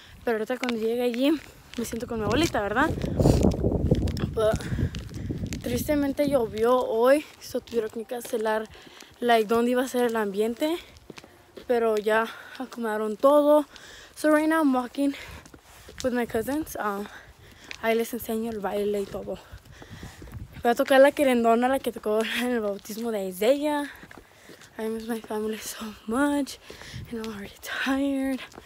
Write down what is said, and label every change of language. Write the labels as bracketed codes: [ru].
[es] Pero ahorita cuando llegue allí, me siento con mi abuelita, ¿verdad? But, tristemente llovió hoy. So tuvieron que cancelar, like, dónde iba a ser el ambiente. Pero ya acomodaron todo. [en] So right now I'm walking with my cousins. [es] Ahí les enseño el baile y todo. Voy a tocar la querendona, la que tocó en el bautismo de Isaiah. [en] I miss my family so much, and I'm already tired.